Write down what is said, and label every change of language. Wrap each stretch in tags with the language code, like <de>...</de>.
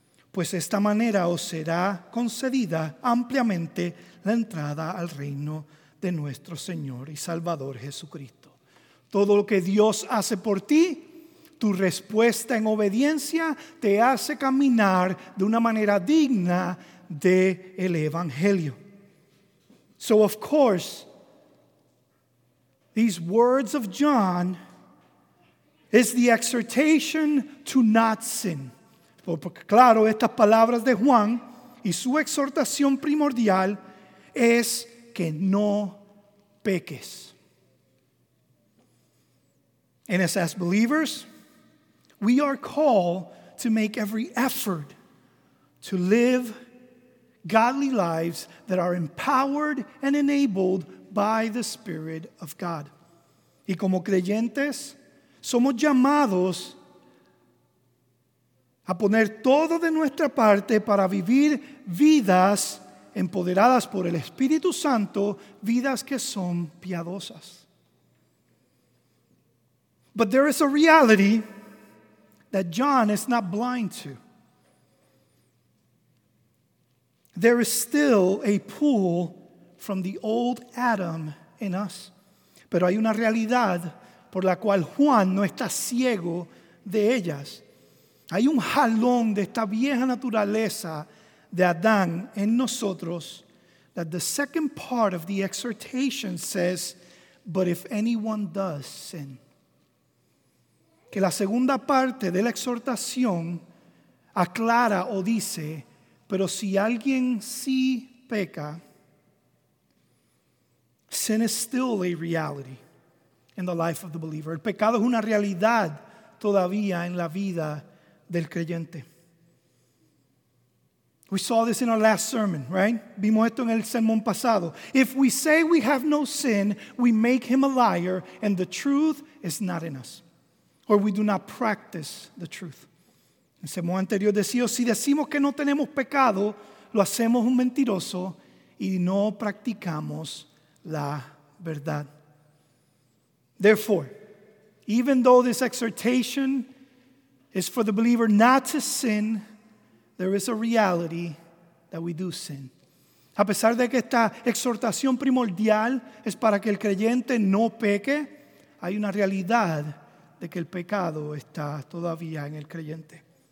<es>Pues de esta manera os será concedida ampliamente la entrada al reino de nuestro Señor y Salvador Jesucristo." Todo lo que Dios hace por ti, tu respuesta en obediencia, te hace caminar de una manera digna del Evangelio.</es> <en>So of course, these words of John is the exhortation to not sin.</en> <es>Porque claro, estas palabras de Juan y su exhortación primordial es que no peques.</es> <en>And as believers, we are called to make every effort to live godly lives that are empowered and enabled by the Spirit of God.</en> <es>Y como creyentes, somos llamados a poner todo de nuestra parte para vivir vidas empoderadas por el Espíritu Santo, vidas que son piadosas.</es> <en>But there is a reality that John is not blind to. There is still a pull from the old Adam in us.</en> <es>Pero hay una realidad por la cual Juan no está ciego de ellas. Hay un jalón de esta vieja naturaleza de Adán en nosotros,</es> <en>that the second part of the exhortation says, "But if anyone does sin."</en> <es>que la segunda parte de la exhortación aclara o dice, pero si alguien sí peca,</es> <en>sin is still a reality in the life of the believer.</en> <es>El pecado es una realidad todavía en la vida del creyente.</es> <en>We saw this in our last sermon, right?</en> <es>Vimos esto en el sermón pasado.</es> <en>If we say we have no sin, we make him a liar and the truth is not in us. Or we do not practice the truth.</en> <es>En el sermón anterior decía, si decimos que no tenemos pecado, lo hacemos un mentiroso y no practicamos la verdad.</es> <en>Therefore, even though this exhortation is for the believer not to sin, there is a reality that we do sin.</en> <es>A pesar de que esta exhortación primordial es para que el creyente no peque, hay una realidad de que el pecado está todavía en el creyente.</es>